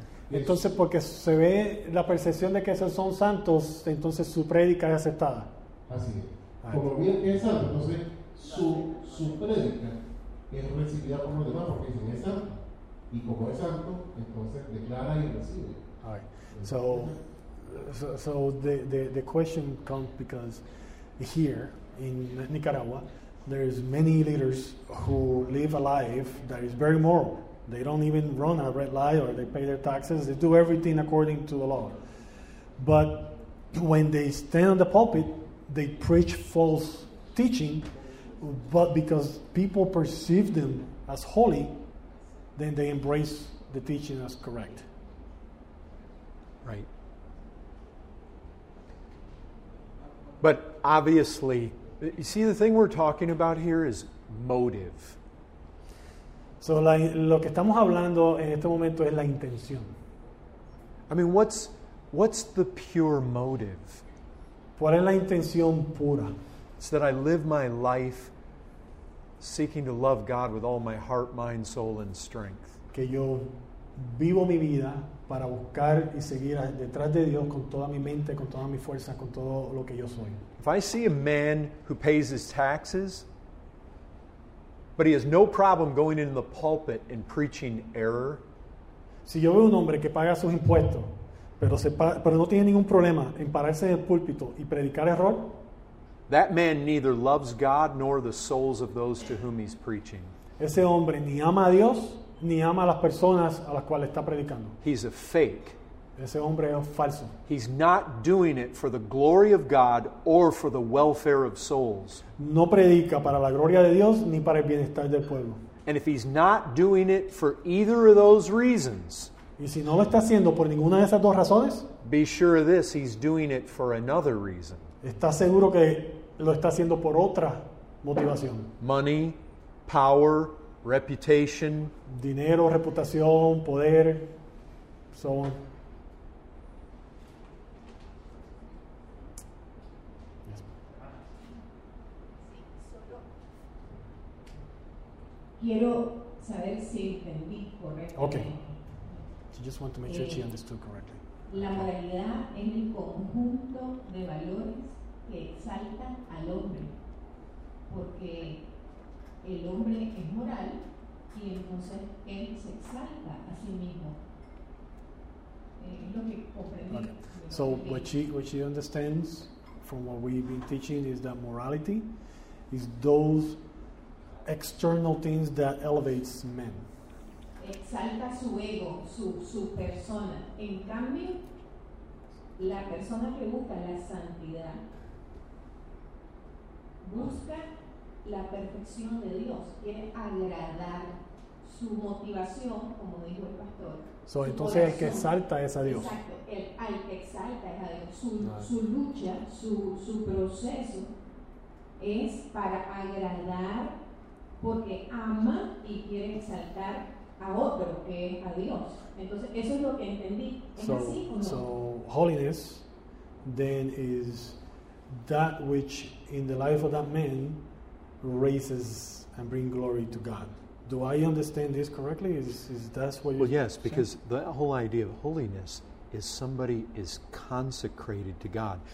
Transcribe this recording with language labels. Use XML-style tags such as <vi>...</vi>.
<es>entonces porque se ve la percepción de que esos son santos, entonces su prédica es aceptada. Así es. Como bien que es santo, entonces su prédica es recibida por los demás porque dicen es santo. Y como es santo, entonces declara y recibe.</es> <en>All right. So the question comes because here in Nicaragua, there's many leaders who live a life that is very moral. They don't even run a red light, or they pay their taxes. They do everything according to the law. But when they stand on the pulpit, they preach false teaching. But because people perceive them as holy, then they embrace the teaching as correct. Right. But obviously, you see, the thing we're talking about here is motive.</en> <es>So, lo que estamos hablando en este momento es la intención.</es> <en>I mean, what's the pure motive?</en> <es>¿Cuál es la intención pura?</es> <en>It's that I live my life seeking to love God with all my heart, mind, soul, and strength.</en> <es>Que yo vivo mi vida para buscar y seguir detrás de Dios con toda mi mente, con toda mi fuerza, con todo lo que yo soy.</es> <en>If I see a man who pays his taxes, but he has no problem going in the pulpit and preaching error.</en> <es>Si yo veo un hombre que paga sus impuestos, pero no tiene ningún problema en pararse en el púlpito y predicar error.</es> <en>That man neither loves God nor the souls of those to whom he's preaching.</en> <es>Ese hombre ni ama a Dios ni ama a las personas a las cuales está predicando.</es> <en>He's a fake.</en> <es>Ese hombre es falso.</es> <en>He's not doing it for the glory of God or for the welfare of souls.</en> <es>No predica para la gloria de Dios ni para el bienestar del pueblo.</es> <en>And if he's not doing it for either of those reasons,</en> <es>y si no lo está haciendo por ninguna de esas dos razones,</es> <en>be sure of this, he's doing it for another reason.</en> <es>Está seguro que lo está haciendo por otra motivación.</es> <en>Money, power, reputation,</en> <es>dinero, reputación, poder,</es> <en>so on. Yes.</en> <es>Quiero saber si entendí correctamente.</es> <en>Okay. She just want to make sure she understood correctly.</en> <es>La moralidad es el conjunto de valores que exalta al hombre, porque el hombre es moral y entonces él se exalta a sí mismo. Es lo que comprendí.</es> <en>Okay. So what she understands from what we've been teaching is that morality is those external things that elevates men.</en> <es>Exalta su ego, su persona. En cambio, la persona que busca la santidad busca la perfección de Dios, quiere agradar su motivación, como dijo el pastor. So, entonces corazón, el que exalta es a Dios. Exacto, el que exalta es a Dios. Su lucha, su proceso es para agradar porque ama y quiere exaltar a otro que es a Dios. Entonces eso es lo que entendí. ¿Es so, así o no?</es> <en>So holiness then is that which in the life of that man raises and bring glory to God. Do I understand this correctly? Is that what you Well, yes, because the whole idea of holiness is somebody is consecrated to God.</en>